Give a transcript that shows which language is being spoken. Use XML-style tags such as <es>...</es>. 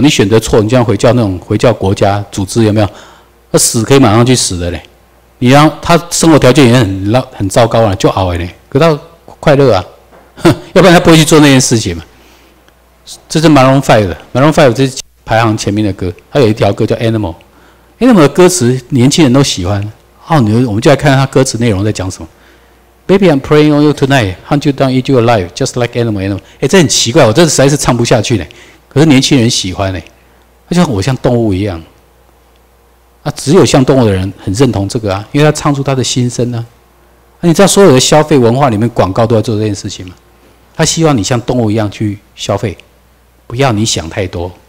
<zh>你选择错，你像回教那种回教国家组织有没有？那死可以马上去死的嘞，你让他生活条件也很糟糕啊，就熬了嘞，可他快乐啊，哼，要不然他不会去做那件事情嘛。这是 Maroon 5的 ，Maroon 5这是排行前面的歌，他有一条歌叫 Animal 的歌词年轻人都喜欢。哦，我们就来看他歌词内容在讲什么。</zh> <en>Baby, I'm praying on you tonight. Hunt you down, eat you alive, just like animal, animal.</en> <zh>哎，这很奇怪，我这实在是唱不下去呢。可是年轻人喜欢呢，他就像我像动物一样。啊，只有像动物的人很认同这个啊，因为他唱出他的心声呢。啊，你知道所有的消费文化里面广告都要做这件事情吗？他希望你像动物一样去消费，不要你想太多。</zh>